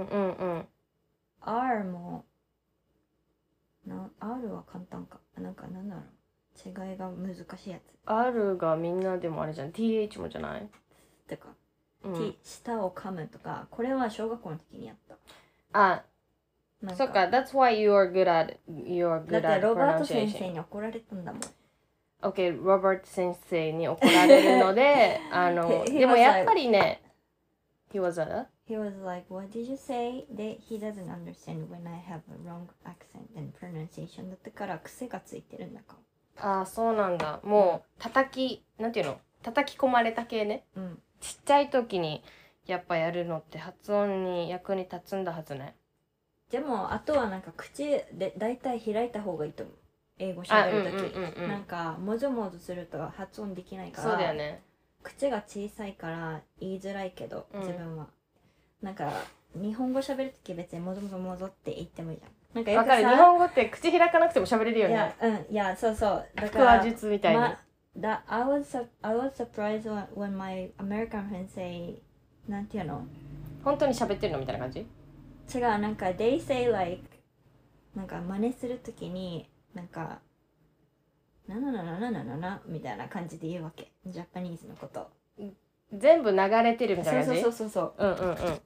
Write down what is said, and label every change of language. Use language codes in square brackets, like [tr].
[ja] うんうんうん R もな R は簡単かなんかなんだろう違いが難しいやつ R がみんなでもあれじゃん TH もじゃないってか、うん、T 舌を噛むとかこれは小学校の時にやったあなんかそっか [en] That's why you are good at pronunciation [ja] だってロバート先生に怒られたんだもん OK ロバート先生に怒られるのであのでもやっぱりね [en] He was a He was like What did you say? で He doesn't understand when I have a wrong accent and pronunciation [ja] だってから癖がついてるんだかああそうなんだもう叩きなんていうの叩き込まれた系ね、うん、ちっちゃい時にやっぱやるのって発音に役に立つんだはずねでもあとはなんか口でだいたい開いた方がいいと思う英語喋る時、うんうんうんうん、なんかもぞもぞすると発音できないからそうだよね口が小さいから言いづらいけど自分は、うん、なんか日本語喋る時別にもぞもぞもぞって言ってもいいじゃんなんかよくさ分かる日本語って口開かなくても喋れるよねいや、うん、いやそうそうだから腹話術みたいに、ま、 [en] That I was surprised when my American friend say [ja] なんていうの本当に喋ってるのみたいな感じ違うなんか [en] They say like [ja] なんか真似するときになんかなななななななななみたいな感じで言うわけジャパニーズのこと全部流れてるみたいな感じそうそうそうそううんうんうん